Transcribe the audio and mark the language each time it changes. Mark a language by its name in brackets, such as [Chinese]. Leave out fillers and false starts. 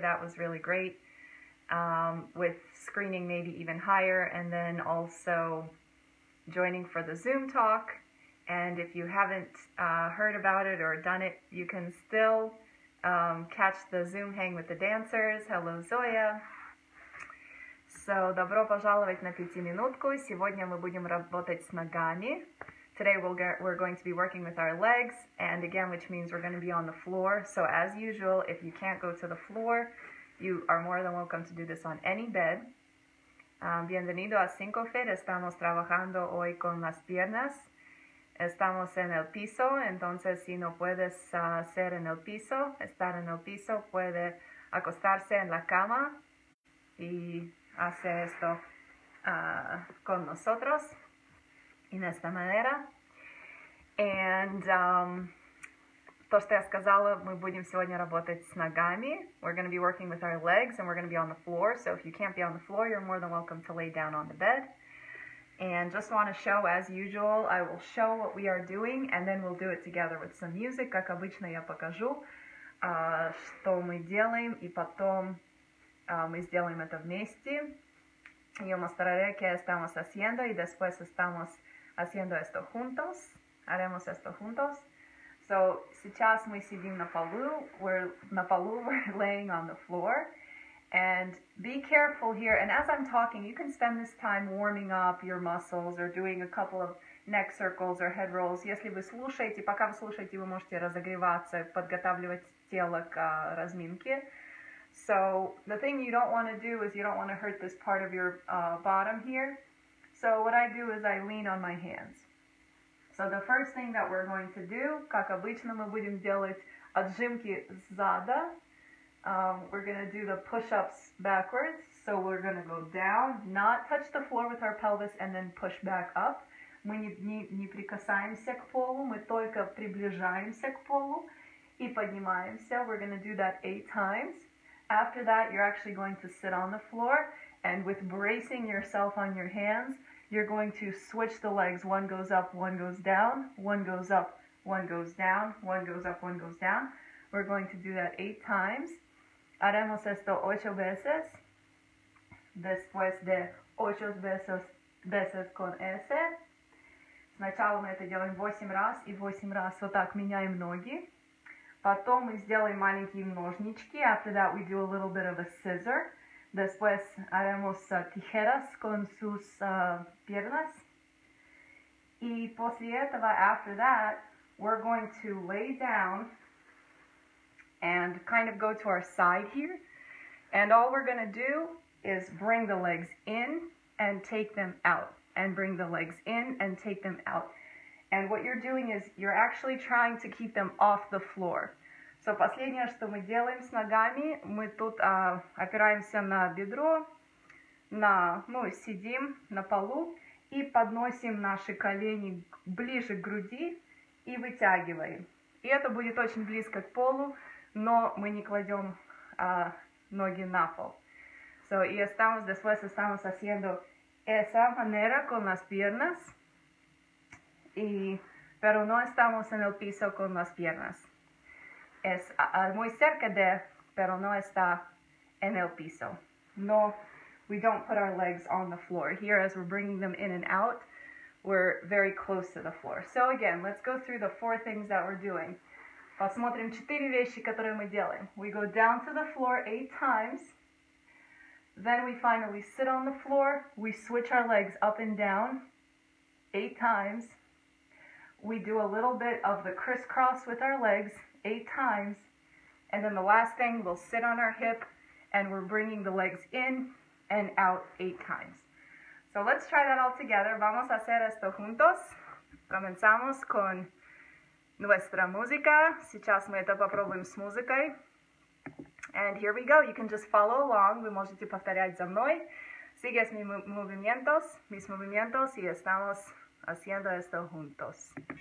[English] That was really great, with screening maybe even higher, and then also joining for the Zoom talk. And if you haven't heard about it or done it, you can still catch the Zoom hang with the dancers. Hello, Zoya. [Russian] So, добро пожаловать на пятиминутку. Сегодня мы будем работать с ногами. [English] Today we're going to be working with our legs, and again, which means we're going to be on the floor. So as usual, if you can't go to the floor, you are more than welcome to do this on any bed. [Spanish] Bienvenido a 5Fit. Estamos trabajando hoy con las piernas. Estamos en el piso, entonces si no puedes ser en el piso, estar en el piso, puede acostarse en la cama y hace esto con nosotros en esta manera. [Russian] And то, что я сказала, мы будем сегодня работать с ногами. [English] We're going to be working with our legs and we're going to be on the floor. So if you can't be on the floor, you're more than welcome to lay down on the bed. And just want to show, as usual, I will show what we are doing, and then we'll do it together with some music. [Russian] Как обычно, я покажу, что мы делаем, и потом мы сделаем это вместе. [Spanish] Yo mostraré qué estamos haciendo, y después estamos haciendo esto juntos. Haremos esto juntos. [Russian] So, сейчас мы сидим на полу. [English] We're laying on the floor. And be careful here, and as I'm talking, you can spend this time warming up your muscles or doing a couple of neck circles or head rolls. [Russian] Если вы слушаете, пока вы слушаете, вы можете разогреваться, подготавливать тело к разминке. [English] So the thing you don't want to do is you don't want to hurt this part of your bottom here. So what I do is I lean on my hands. So the first thing that we're going to do, [Russian] как обычно, мы будем делать отжимки зада. [English] We're going to do the push-ups backwards, so we're going to go down, not touch the floor with our pelvis, and then push back up. [Russian] Мы не прикасаемся к полу, мы только приближаемся к полу и поднимаемся. [English] We're going to do that 8 times. After that, you're actually going to sit on the floor, and with bracing yourself on your hands, you're going to switch the legs. One goes up, one goes down, one goes up, one goes down, one goes up, one goes down. We're going to do that 8 times. [Spanish] Haremos esto 8 veces. Después de 8 veces con S. [Russian] Сначала мы это делаем 8 раз и 8 раз вот так меняем ноги. Потом мы сделаем маленькие ножнички. [English] After that we do a little bit of a scissor. [Spanish] Después haremos tijeras con sus piernas. [English] Y [Russian] после этого, [English] after that, we're going to lay down and kind of go to our side here. And all we're gonna do is bring the legs in and take them out. And bring the legs in and take them out. And what you're doing is you're actually trying to keep them off the floor. [Russian] So последнее, что мы делаем с ногами, мы тут опираемся на бедро, сидим на полу и подносим наши колени ближе к груди и вытягиваем. И это будет очень близко к полу, но мы не кладем ноги на пол. [Spanish] So, y estamos, después estamos haciendo esa manera con las piernas. Y, pero no estamos en el piso con las piernas. Es muy cerca de, pero no está en el piso. [English] No, we don't put our legs on the floor. Here, as we're bringing them in and out, we're very close to the floor. So again, let's go through the 4 things that we're doing. [Russian] Посмотрим 4 вещи, которые мы делаем. [English] We go down to the floor 8 times. Then we finally sit on the floor. We switch our legs up and down 8 times. We do a little bit of the crisscross with our legs 8 times. And then the last thing, we'll sit on our hip and we're bringing the legs in and out 8 times. So let's try that all together. [Spanish] Vamos a hacer esto juntos. Comenzamos con nuestra música. [Russian] Сейчас мы это попробуем с музыкой. [English] And here we go. You can just follow along. [Russian] Вы можете повторять за мной. [Spanish] Sigues mis movimientos, y estamos haciendo esto juntos.